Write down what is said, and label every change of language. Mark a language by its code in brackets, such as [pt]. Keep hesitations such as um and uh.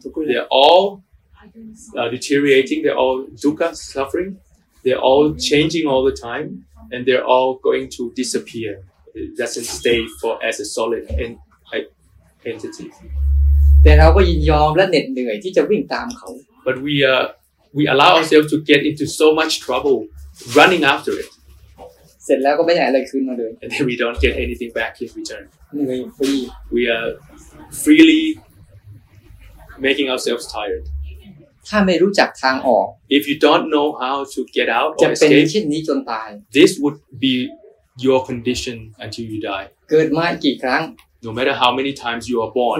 [en] They're all uh, deteriorating, they're all dukkha, suffering, they're all changing all the time, and they're all going to disappear. It doesn't stay for as a solid en- entity. [th] แต่เราก็ยินยอมและเหน็ดเหนื่อยที่จะวิ่งตามเขา [en] but we are uh, we allow ourselves to get into so much trouble running after it [th] เสร็จแ ล้วก็ไม่ได้อะไรคืนมาเลย [en] and then we don't get anything back in return we are freely making ourselves tired [th] ถ้าไม่รู้จักทางออก [en] if you don't know how to get out [th] จะเป็นเช่นนี้จนตาย [en] this would be your condition until you die [th] เกิดมากี่ครั้ง [en] no matter how many times you are born